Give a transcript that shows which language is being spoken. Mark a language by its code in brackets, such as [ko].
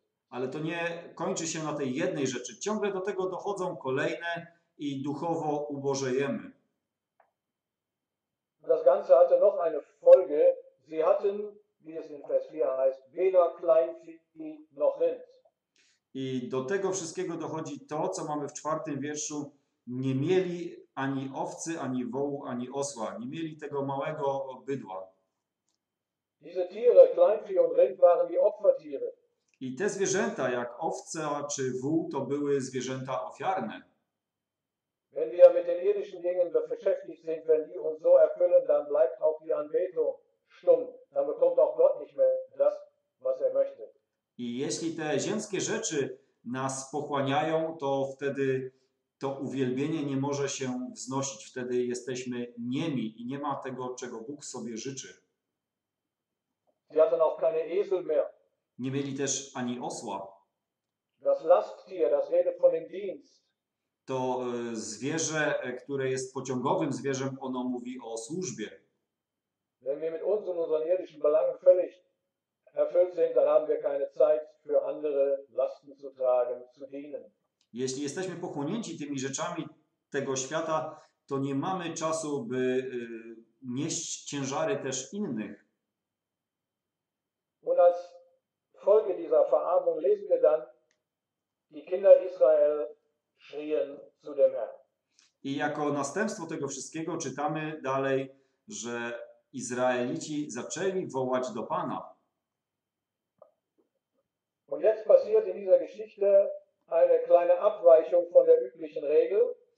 [pl] Ale to nie kończy się na tej jednej rzeczy. Ciągle do tego dochodzą kolejne i duchowo ubożejemy. [de] Das Ganze hatte noch eine Folge. Sie hatten, wie es in Vers 4 heißt, weder Kleinvieh noch Rind. [pl] I do tego wszystkiego dochodzi to, co mamy w czwartym wierszu. Nie mieli ani owcy, ani wołu, ani osła. Nie mieli tego małego bydła. [de] Diese Tiere, Kleinvieh und Rind, waren die Opfertiere. [pl] I te zwierzęta, jak owca czy wół, to były zwierzęta ofiarne. [de] Wenn wir mit den irdischen Dingen beschäftigt sind, wenn die uns so erfüllen, dann bleibt auch die Anbetung stumm. Dann bekommt auch Gott nicht mehr das, was er möchte. [pl] I jeśli te ziemskie rzeczy nas pochłaniają, to wtedy to uwielbienie nie może się wznosić. Wtedy jesteśmy niemi i nie ma tego, czego Bóg sobie życzy. [de] Sie hatten auch keine Esel mehr. [pl] Nie mieli też ani osła. [de] Das Lasttier, das redet von dem Dienst. [pl] To zwierzę, które jest pociągowym zwierzem, ono mówi o służbie. [de] Wenn wir mit uns und unseren irdischen Belangen völlig erfüllt sind, dann haben wir keine Zeit für andere Lasten zu tragen, zu dienen. [pl] Jeśli jesteśmy pochłonięci tymi rzeczami tego świata, to nie mamy czasu, by nieść ciężary też innych. [de] Und als Folge dieser Verarmung lesen wir dann, die Kinder Israel schrien zu dem Herrn. [pl] I jako następstwo tego wszystkiego czytamy dalej, że Izraelici zaczęli wołać do Pana. [de] Und jetzt passiert in dieser Geschichte eine kleine Abweichung von der üblichen Regel.